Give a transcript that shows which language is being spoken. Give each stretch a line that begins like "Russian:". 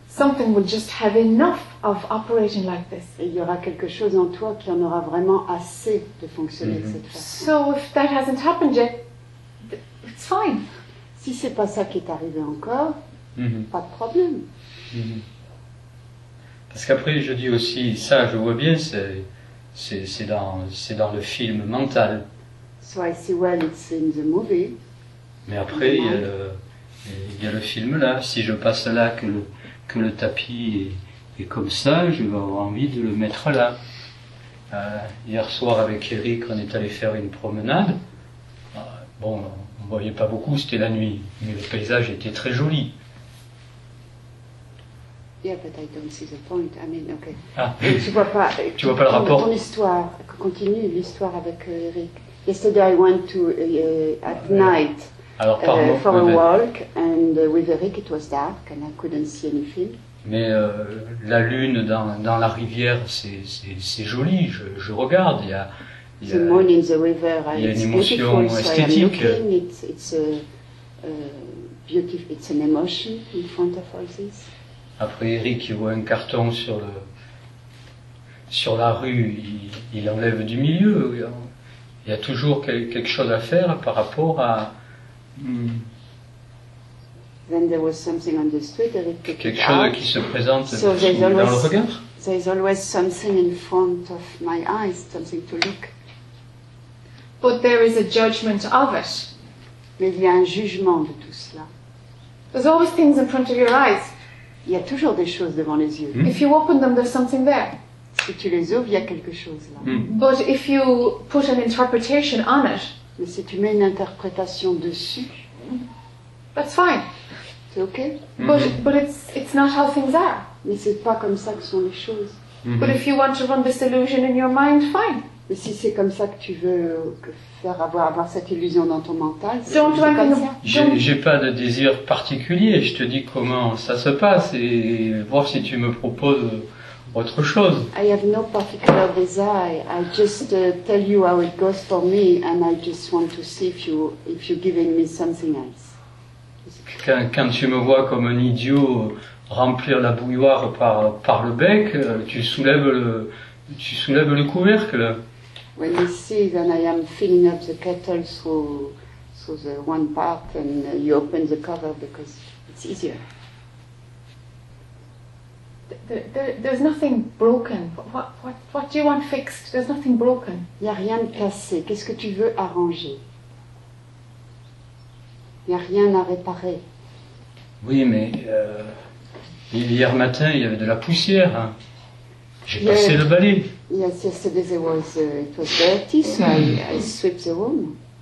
English: Something will just have enough of operating like this.
French: Et il y aura quelque chose en toi qui en aura vraiment assez de fonctionner de cette façon.
English: So if that hasn't happened yet, it's fine.
French: Si ce n'est pas ça qui est arrivé encore, pas de problème. Parce qu'après, je dis aussi, ça, je vois bien, c'est dans le film mental.
English: So I see well it's in the movie.
French: Mais après, il y a le film là. Si je passe là, que le tapis est comme ça, je vais avoir envie de le mettre là. Hier soir, avec Eric, on est allé faire une promenade. Bon, on ne voyait pas beaucoup, c'était la nuit. Mais le paysage était très joli.
English: Yeah, but I don't see the point. I mean, okay.
French: Tu vois pas le rapport. Ton histoire, continue l'histoire avec Eric.
English: Yesterday I went to at night for a walk, and with Eric it was dark and I couldn't see anything.
French: Mais la lune dans la rivière c'est joli, je regarde, il y a
English: the moon in the river,
French: une émotion esthétique.
English: So looking, it's a beautiful, it's an emotion in front of all this.
French: Après Eric il voit un carton sur la rue, il enlève du milieu. Il y a toujours quelque chose à faire par rapport à
English: Then there was something on the street, Eric took
French: quelque chose
English: out.
French: Qui se présente so dans
English: always,
French: le regard.
English: There is always something in front of my eyes, something to look. But there is a judgment of it.
French: Mais il y a un jugement de tout cela.
English: There's always things in front of your eyes.
French: Il y a toujours des choses devant les yeux.
English: If you open them, there's something there.
French: Si tu les ouvres, il y a quelque chose là.
English: But if you put an interpretation on it,
French: mais si tu mets une interprétation dessus,
English: that's fine.
French: C'est ok.
English: But it's not how things are.
French: Mais c'est pas comme ça que sont les choses.
English: But if you want to run this illusion in your mind, fine.
French: Mais si c'est comme ça que tu veux avoir cette illusion dans ton mental,
English: don't
French: c'est pas ça. J'ai pas de désir particulier. Je te dis comment ça se passe et voir si tu me proposes autre chose.
English: I have no particular desire. I just tell you how it goes for me, and I just want to see if you're giving me something else.
French: Quand tu me vois comme un idiot remplir la bouilloire par le bec, tu soulèves le couvercle.
English: When you see that I am filling up the kettle through the one part, and you open the cover because it's easier. There's nothing broken. What do you want fixed? There's nothing broken.
French: Il n'y a rien de cassé. Qu'est-ce que tu veux arranger? Il n'y a rien à réparer. Oui, mais hier matin, il y avait de la poussière. J'ai passé le balai.
English: Yes, yesterday it was dirty, so I swept the room.